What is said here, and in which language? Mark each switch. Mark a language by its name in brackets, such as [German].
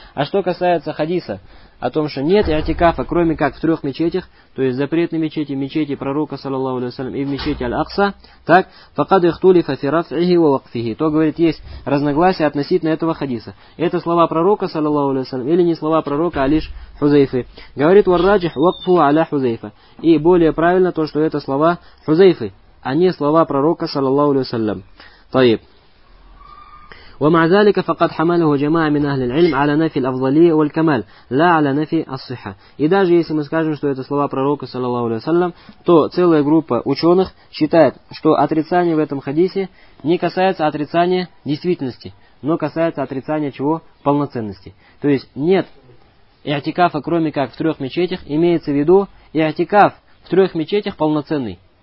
[Russian] А что касается хадиса о том, что нет иатикафа, кроме как в 3 мечетях, то есть запретной мечети, мечети пророка, саллаллаху алейхи ва саллям, и в мечети Аль-Акса, так, [Arabic] факад ихтулифа фи рафъихи ва вакфихи. [Russian] То, говорит, есть разногласия относительно этого хадиса. Это слова пророка, саллаллаху алейхи ва саллям, или не слова пророка, а лишь Хузейфы. Говорит, [Arabic] вар-раджих вакфу аля Хузейфа. [Russian] И более правильно то, что это слова Хузейфы, а не слова пророка, саллаллаху алейхи ва саллям. [Arabic] طيب ومع ذلك فقد حمله جماعه من اهل العلم على نفي الافضليه والكمال لا على نفي الصحه. [Russian] И даже если мы скажем, что это слова пророка саллаллаху алейхи ва саллям, то целая группа ученых считает, что отрицание в этом хадисе не касается отрицания действительности, но касается отрицания чего? Полноценности. То есть нет иатикафа, кроме как в 3 мечетях, имеется в виду иатикаф в 3 мечетях полноценный.